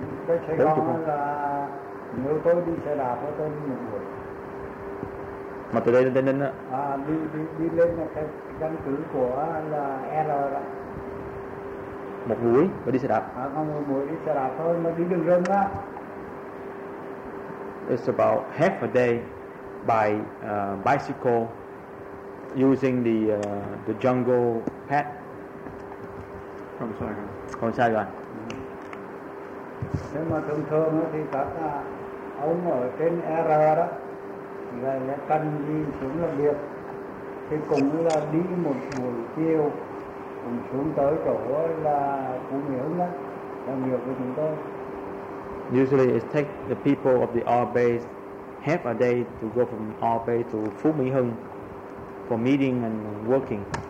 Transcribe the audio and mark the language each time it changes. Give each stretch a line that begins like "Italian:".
Vietnamese: Cách Sài Gòn là nếu tôi đi xe đạp thì tôi đi một buổi. Mà từ đây lên đến đó. Đi lên cái căn cứ của là R đó. Một buổi mà đi xe đạp? Không, một buổi đi xe đạp thôi, mà đi đường rừng á.
English: It's about half a day by bicycle using the jungle path. From Saigon. From Saigon.
Vietnamese: Thế mà thường thường thì các ông ở trên R đó là cần đi xuống làm việc thì cũng là đi một buổi chiều cùng xuống tới chỗ là Phú Nghĩa làm việc với chúng tôi.
English: Usually it takes the people of the R base half a day to go from R base to Phú Mỹ Hưng for meeting and working.